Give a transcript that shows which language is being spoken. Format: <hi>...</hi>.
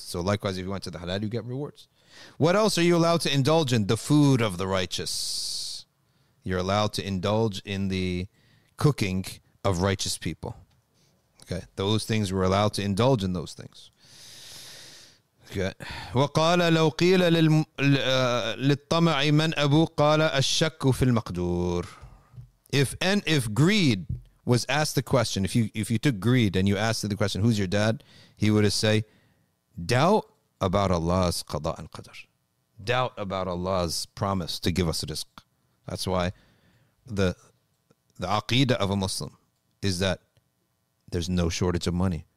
<en>So likewise, if you went to the halal, you get rewards. What else are you allowed to indulge in? The food of the righteous. You're allowed to indulge in the cooking of righteous people. Okay, those things, we're allowed to indulge in those things.</en> <ar>وقال لو قيل للطمع من أبو قال الشك في المقدور.</ar> <en>If greed was asked the question, if you took greed and you asked the question, who's your dad? He would have said, doubt about Allah's qada and qadr. Doubt about Allah's promise to give us rizq. That's why the aqidah of a Muslim is that there's no shortage of money.</en>